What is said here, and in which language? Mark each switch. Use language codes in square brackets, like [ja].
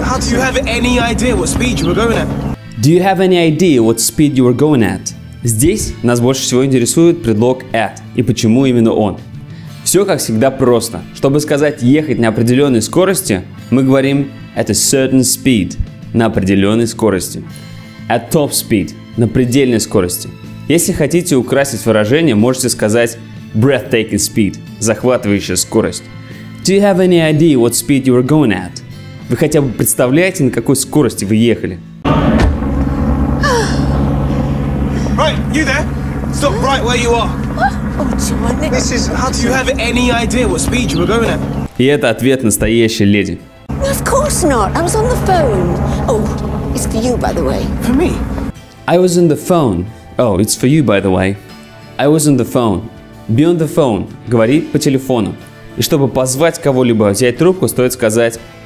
[en] Hudson, do you have any idea what speed you were going at? Do you have any idea what speed you were going at? [ru] Здесь нас больше всего интересует предлог at и почему именно он. Все как всегда просто. Чтобы сказать ехать на определенной скорости, мы говорим [en] at a certain speed, [ru] на определенной скорости. [en] At top speed, [ru] на предельной скорости. Если хотите украсить выражение, можете сказать [en] breathtaking speed, [ru] захватывающая скорость. [en] Do you have any idea what speed you were going at? [ru] Вы хотя бы представляете, на какой скорости вы ехали? [en] You there? Stop right where you are. What? Oh, John. Mrs. Hudson. Do you have any idea what speed you were going at? [ru] И это ответ настоящей леди. [en] No, of course not. I was on the phone. Oh, it's for you, by the way. For me? I was on the phone. Oh, it's for you, by the way. I was on the phone. Be on the phone. [ru] Говори по телефону. И чтобы позвать кого-либо взять трубку, стоит сказать...